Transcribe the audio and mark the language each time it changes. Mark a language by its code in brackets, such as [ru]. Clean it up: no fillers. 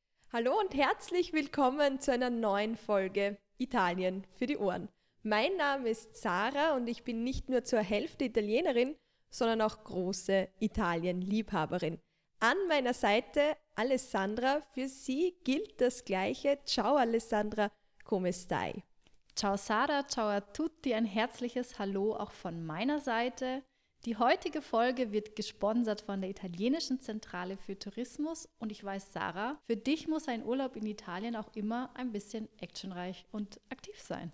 [de] Hallo und herzlich willkommen zu einer neuen Folge Italien für die Ohren. Mein Name ist Sarah und ich bin nicht nur zur Hälfte Italienerin, sondern auch große Italien-Liebhaberin. An meiner Seite Alessandra, für sie gilt das Gleiche. [it] Ciao Alessandra, come stai? Ciao Sarah, ciao a tutti, [de] ein herzliches Hallo auch von meiner Seite. Die heutige Folge wird gesponsert von der italienischen Zentrale für Tourismus und ich weiß, Sarah, für dich muss ein Urlaub in Italien auch immer ein bisschen actionreich und aktiv sein.